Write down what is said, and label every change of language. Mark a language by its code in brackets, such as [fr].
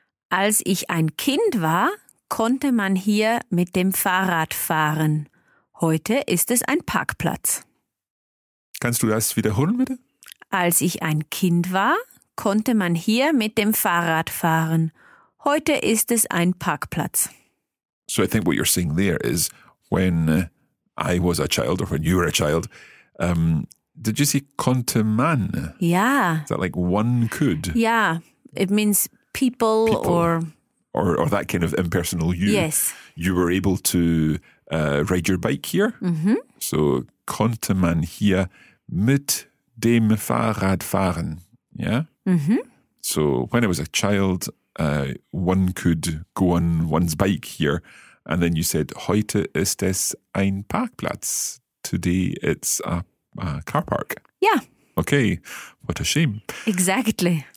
[de] Als ich ein Kind war, konnte man hier mit dem Fahrrad fahren. Heute ist es ein Parkplatz. Kannst du das wiederholen, bitte? Als ich ein Kind war, konnte man hier mit dem Fahrrad fahren. Heute ist es ein Parkplatz. [en] So I think what you're saying there is, when I was a child or when you were a child, did you say [de] konnte man? [en] Yeah. Is that like one could? Yeah. It means people or... Or that kind of impersonal you. Yes. You were able to ride your bike here. Mm-hmm. [de] So konnte man hier mit dem Fahrrad fahren. [en] Yeah? Mm-hmm. So when I was a child, one could go on one's bike here. And then you said, [de] heute ist es ein Parkplatz. [en] Today it's a car park. Yeah. Okay. What a shame. Exactly.